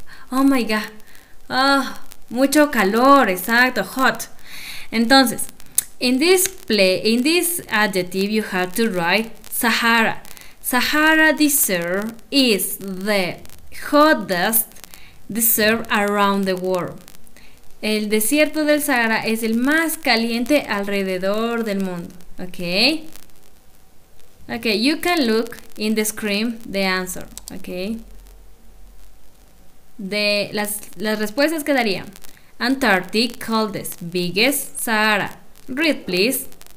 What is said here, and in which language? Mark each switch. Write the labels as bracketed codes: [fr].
[en] Oh my god. Oh, [es] mucho calor, exacto, [en] hot. Entonces, in this adjective you have to write Sahara. Sahara desert is the hottest desert around the world. [es] El desierto del Sahara es el más caliente alrededor del mundo. [en] Okay? Okay, you can look in the screen the answer, okay? [es] Las respuestas quedarían: Antarctic, coldest, biggest, Sahara. [en] Read, please.